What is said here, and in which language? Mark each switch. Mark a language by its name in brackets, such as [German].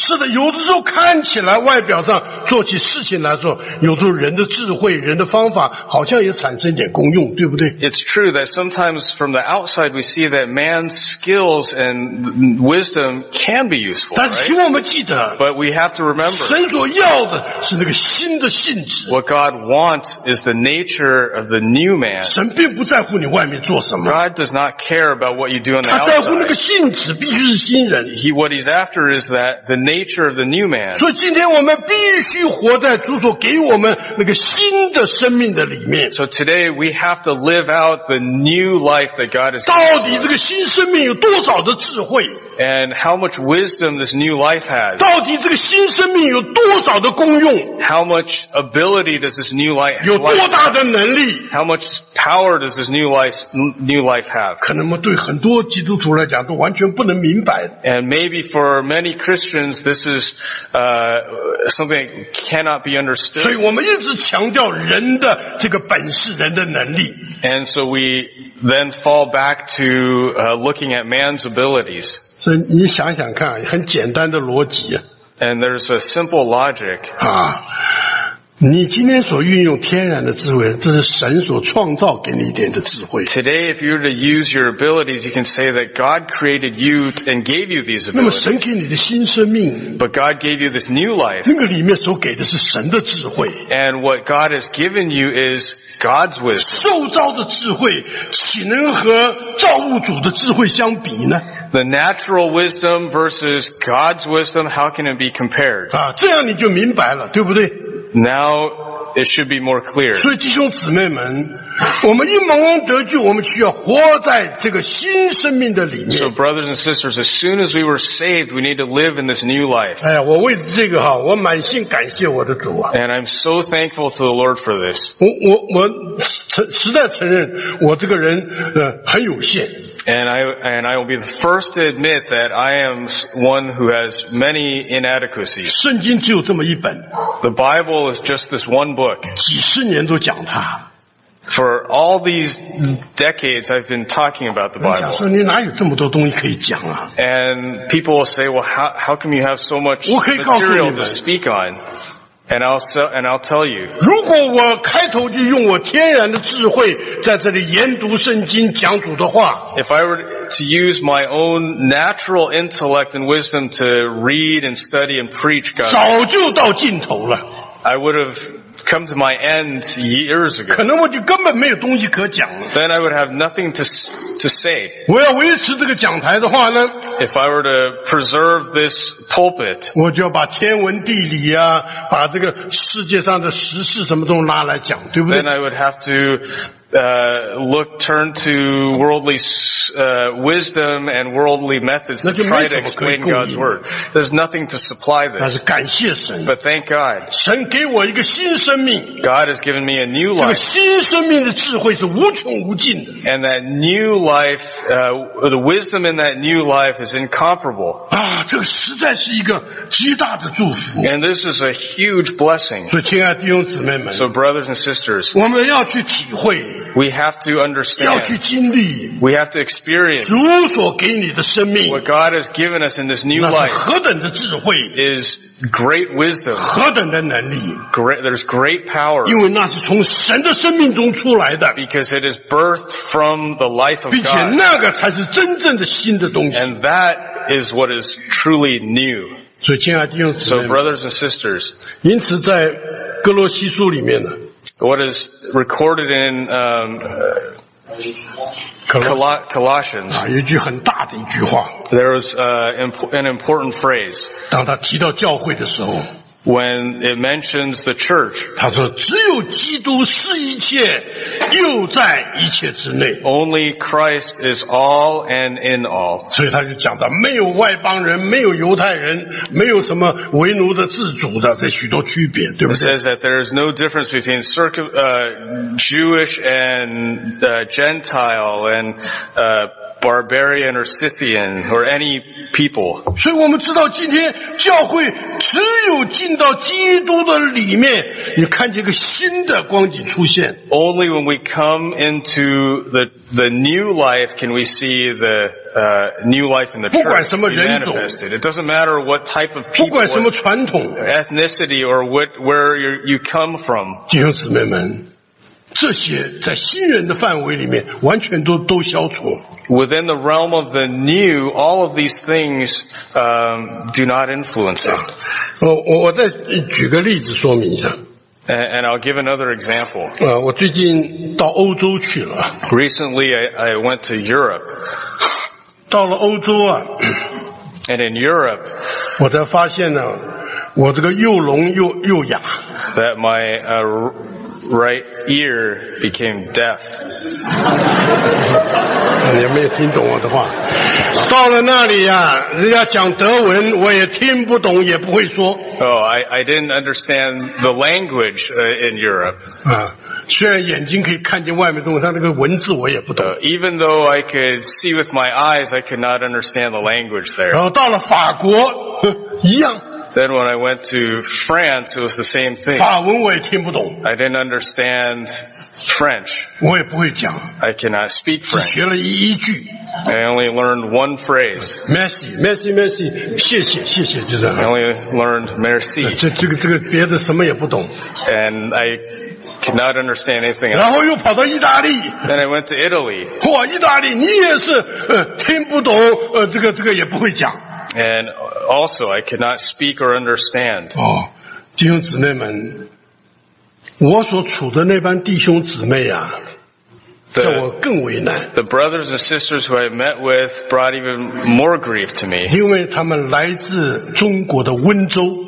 [Chinese] 是的，有的时候看起来外表上做起事情来说，有的时候人的智慧、人的方法好像也产生点功用，对不对？ [English] It's true that sometimes from the outside we see that man's skills and wisdom can be useful. [Chinese] 但是请我们记得， [English] but we have to remember, [Chinese] 神所要的是那个新的性质。 [English] What God wants is the nature of the new man. [Chinese] 神并不在乎你外面做什么。 [English] Does not care about what you do on the outside. [Chinese] 他在乎那个性质，必须是新人。 [English] He, what he's after is that the nature of the new man. [Chinese] 所以今天我们必须活在主所给我们那个新的生命的里面。 [English] So today we have to live out the new life that God has given. [Chinese] 到底这个新生命有多少的智慧？ [English] And how much wisdom this new life has. [Chinese] 到底这个新生命有多少的功用？ [English] How much ability does this new life have? [Chinese] 有多大的能力？ [English] How much power does this new life have? [Chinese] 可能对很多基督徒来讲都完全不能明白。 [English] And maybe for many Christians this is, something that cannot be understood. [Chinese] 所以我们一直强调人的这个本事，人的能力。 [English] And so we then fall back to, looking at man's abilities. [Chinese] 所以你想想看，很简单的逻辑。 [English] And there's a simple logic. [Chinese] 啊，你今天所运用天然的智慧，这是神所创造给你一点的智慧。 [English] Today, if you were to use your abilities, you can say that God created you and gave you these abilities. [Chinese] 那么神给你的新生命。 [English] But God gave you this new life. [Chinese] 那个里面所给的是神的智慧。 [English] And what God has given you is God's wisdom. [Chinese] 受造的智慧，岂能和造物主的智慧相比呢？ [English] The natural wisdom versus God's wisdom, how can it be compared? [Chinese] 啊，这样你就明白了，对不对？ [English] Now it should be more clear. [Chinese] 所以弟兄姊妹们，我们一蒙恩得救，我们需要活在这个新生命的里面。 [English] So brothers and sisters, as soon as we were saved, we need to live in this new life. [Chinese] 哎呀，我为这个哈，我满心感谢我的主啊。 [English] And I'm so thankful to the Lord for this. [Chinese] 我实在承认，我这个人很有限。 [English] And I will be the first to admit that I am one who has many inadequacies. [Chinese] 圣经只有这么一本。 [English] The Bible is just this one book. [Chinese] 几十年都讲它。 [English] For all these decades I've been talking about the Bible. [Chinese] 人家说你哪有这么多东西可以讲啊。 [English] And people will say, well, how come you have so much material to speak on? And I'll tell you. [Chinese] 如果我开头就用我天然的智慧在这里研读圣经讲主的话。 [English] If I were to use my own natural intellect and wisdom to read and study and preach God. [Chinese] 早就到尽头了。 [English] I would have come to my end years ago. [Chinese] 可能我就根本没有东西可讲了。 [English] Then I would have nothing to say. [Chinese] 我要维持这个讲台的话呢。 [English] If I were to preserve this pulpit, [Chinese] 我就要把天文地理啊，把这个世界上的时事什么都拿来讲，对不对？ [English] Then I would have to turn to worldly wisdom and worldly methods to try to explain God's word. There's nothing to supply this. [Chinese] 但是感谢神。 [English] But thank God. [Chinese] 神给我一个新生命。 [English] God has given me a new life. [Chinese] 这个新生命的智慧是无穷无尽的。 [English] And that new life, the wisdom in that new life is incomparable. [Chinese] 啊，这个实在是一个极大的祝福。 [English] And this is a huge blessing. [Chinese] 所以亲爱的弟兄姊妹们。 [English] So brothers and sisters. [Chinese] 我们要去体会。 [English] We have to understand. [Chinese] 要去经历。 [English] We have to experience. [Chinese] 主所给你的生命。 [English] What God has given us in this new life. [Chinese] 那是何等的智慧。 [English] Is great wisdom. [Chinese] 何等的能力。 [English] There's great power. [Chinese] 因为那是从神的生命中出来的。 [English] Because it is birthed from the life of God. [Chinese] 并且那个才是真正的新的东西。 [English] And that is what is truly new. [Chinese] 所以亲爱的弟兄姊妹。 [English] So brothers and sisters. [Chinese] 因此在哥罗西书里面呢。 [English] What is recorded in Colossians. [Chinese] 啊，有一句很大的一句话。 [English] There is an important phrase. [Chinese] 当他提到教会的时候。 [English] When it mentions the church. [Chinese] 他说只有基督是一切又在一切之内。 [English] Only Christ is all and in all. [Chinese] 所以他就讲到没有外邦人没有犹太人没有什么为奴的自主的这许多区别对不对 [English] It says that there is no difference between Jewish and Gentile and Barbarian or Scythian or any people. [Chinese] 所以我们知道今天教会只有进到基督的里面，你看见一个新的光景出现。 [English] Only when we come into the new life can we see the new life in the church. [Chinese] 不管什么人种 [English] it doesn't matter what type of people. [Chinese] 不管什么传统 [English] ethnicity or where you come from. [Chinese] 弟兄姊妹们。这些在新人的范围里面完全都消除。 [English] Within the realm of the new, all of these things, do not influence it. [Chinese] 我再举个例子说明一下。 [English] And I'll give another example. [Chinese] 我最近到欧洲去了。 [English] Recently, I went to Europe. [Chinese] 到了欧洲啊。 [English] And in Europe, [Chinese] 我才发现呢，我这个又聋又哑。 [English] That my, right ear became deaf. [Chinese] 你没有听懂我的话。到了那里呀、啊，人家讲德文，我也听不懂，也不会说。 [English] Oh, I didn't understand the language in Europe. [Chinese] 啊，虽然眼睛可以看见外面东西，但那个文字我也不懂。 [English] Even though I could see with my eyes, I could not understand the language there. [Chinese] 然后到了法国，一样。 [English] Then when I went to France, it was the same thing. [Chinese] 法文我也听不懂。 [English] I didn't understand French. [Chinese] 我也不会讲。 [English] I cannot speak French. [Chinese] 只学了一句。 [English] I only learned one phrase. [French] Merci, merci, merci. [Chinese] 谢谢，谢谢，就是。 [English] I only learned merci. [Chinese] 这个别的什么也不懂。 [English] And I could not understand anything else. [Chinese] 然后又跑到意大利。 [English] Then I went to Italy. [Chinese] 哇，意大利，你也是，听不懂，这个也不会讲。 [English] And also, I could not speak or understand. [Chinese] 哦，弟兄姊妹们，我所处的那帮弟兄姊妹啊，叫我更为难。 [English] The brothers and sisters who I met with brought even more grief to me. [Chinese] 因为他们来自中国的温州。